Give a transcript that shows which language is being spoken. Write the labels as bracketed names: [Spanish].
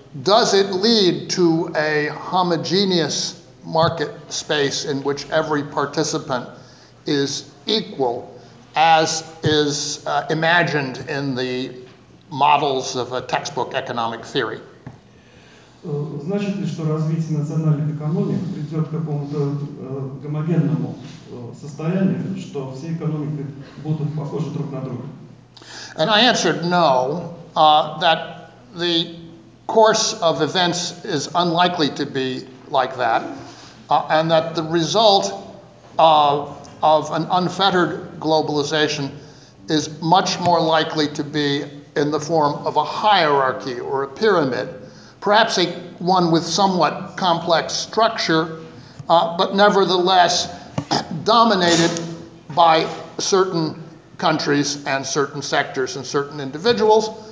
[English] Does it lead to a homogeneous market space in which every participant is equal, as is imagined in the models of a textbook economic theory? [Russian] Значит ли, что развитие национальных экономик придет к какому-то гомогенному состоянию, что все экономики будут похожи друг на друга? [English] And I answered no, that the course of events is unlikely to be like that, and that the result of an unfettered globalization is much more likely to be in the form of a hierarchy or a pyramid, perhaps a one with somewhat complex structure, but nevertheless dominated by certain countries and certain sectors and certain individuals.